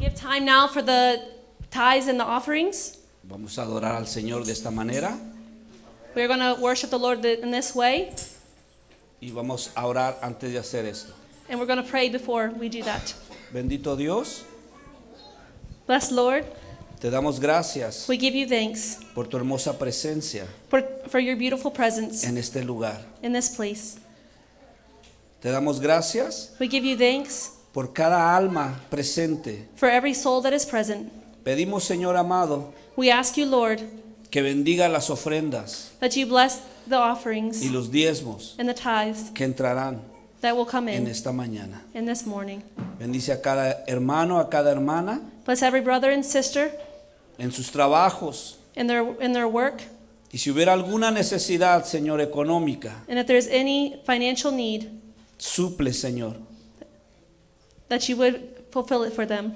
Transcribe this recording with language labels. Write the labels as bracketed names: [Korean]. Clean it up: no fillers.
[English] time now for the tithes and the offerings. [Spanish] Vamos a adorar al Señor de esta manera. [English] We are going to worship the Lord in this way. [Spanish] Y vamos a orar antes de hacer esto. [English] And we're going to pray before we do that. [Spanish] Bendito Dios. [English] Bless Lord. [Spanish] Te damos gracias. [English] We give you thanks. [Spanish] Por tu hermosa presencia. [English] For your beautiful presence. [Spanish] En este lugar. [English] In this place. [Spanish] Te damos gracias. [English] We give you thanks. [Spanish] Por cada alma presente. [English] For every soul that is present. [Spanish] Pedimos, Señor amado. [English] We ask you, Lord. [Spanish] Que bendiga las ofrendas. [English] That you bless the offerings. [Spanish] Y los diezmos. [English] And the tithes. [Spanish] Que entrarán. [English] That will come in. [Spanish] En esta mañana. [English] In this morning. [Spanish] Bendice a cada hermano, a cada hermana. [English] Bless every brother and sister. [Spanish] En sus trabajos. [English] In their work. [Spanish] Y si hubiera alguna necesidad, Señor, económica. [English] And if there's any financial need. [Spanish] Suple, Señor. [English] That you would fulfill it for them.